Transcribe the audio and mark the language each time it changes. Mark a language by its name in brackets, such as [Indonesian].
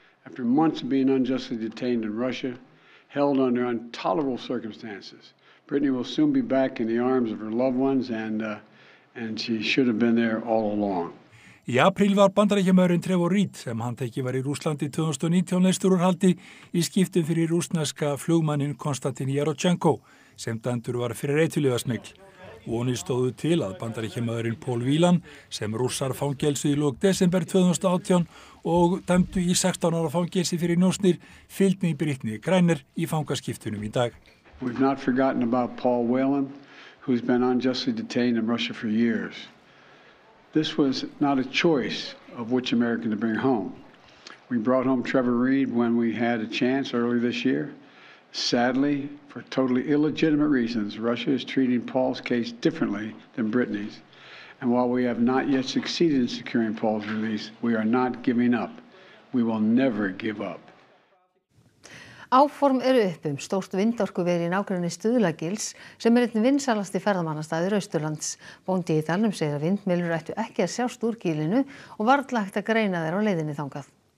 [English] After months of being unjustly detained in Russia, held under intolerable circumstances, Brittney will soon be back in the arms of her loved ones and she should have been there all along. [Icelandic] Í apríl var bandaríkjamaðurinn Trevor Reed sem handtekinn var í Rússlandi 2019 leystur úr haldi í skiptum fyrir rússneska flugmanninn Konstantin Yarochenko sem dæmdur var fyrir eiturlyfjasmygl. Vonir stóðu til að bandaríkjamaðurinn Paul Whelan sem rússar fangelsu í lok desember 2018 og dæmdu í 16 ára fangelsi fyrir njósnir fylgni í Brittney Griner í fangaskiptunum í dag. [English] We've not forgotten about Paul Whelan who's been unjustly detained in Russia for years. This was not a choice of which American to bring home. We brought home Trevor Reed when we had a chance early this year. Sadly, for totally illegitimate reasons, Russia is treating Paul's case differently than Brittney's. And while we have not yet succeeded in securing Paul's release, we are not giving up. We will never give up. [Icelandic] Áform eru upp stórt vindorkuver í nágrenni Stuðlagils sem einn vinsælasti ferðamannastaður Austurlands. Bóndi í dalnum segir að vindmyllur ættu ekki að sjást úr gilinu og varla hægt að greina þær á leiðinni þangað.